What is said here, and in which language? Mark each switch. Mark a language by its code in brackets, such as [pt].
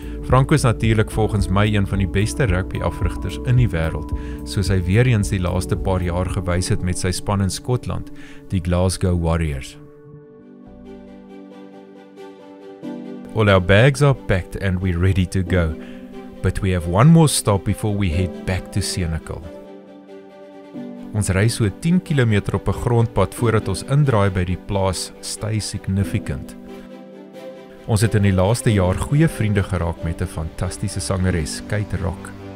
[af] Franco is natuurlik volgens my een van die beste rugby-afrigters in die wêreld, soos hy weer eens die laaste paar jaar gewys het met sy span in Skotland, die Glasgow Warriors. [en] All our bags are packed and we're ready to go, but we have one more stop before we head back to Senekal. [af] Ons ry so 10 km op 'n grondpad voordat ons indraai by die plaas Stay Significant. Ons het in die laaste jaar goeie vriende geraak met 'n fantastiese sangeres, Kate Rock.